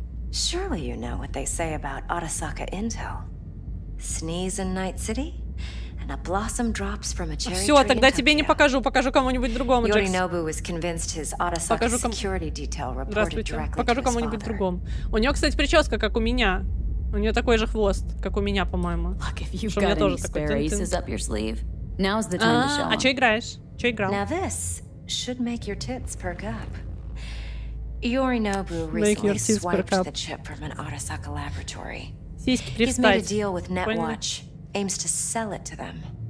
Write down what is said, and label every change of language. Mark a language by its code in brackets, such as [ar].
[en] Surely you know what they say about Arasaka Intel. Sneeze in Night City? And a blossom drops from a cherry tree. [ru] Всё, тогда тебе не покажу, покажу кому-нибудь другому, Джекс. [en] Yorinobu was convinced his Arasaka security detail reported directly to his father. [ru] Покажу кому-нибудь другому. У него, кстати, прическа, как у меня. У нее такой же хвост, как у меня, по-моему. [en] Look, if you've got any spare aces up your sleeve, now's the time to show them. [ru] А чё играешь? Чё играл? [en] Now this should make your tits perk up. Yorinobu recently swiped the chip from an Arasaka laboratory. He's made a deal with Netwatch. Aims to sell it to them.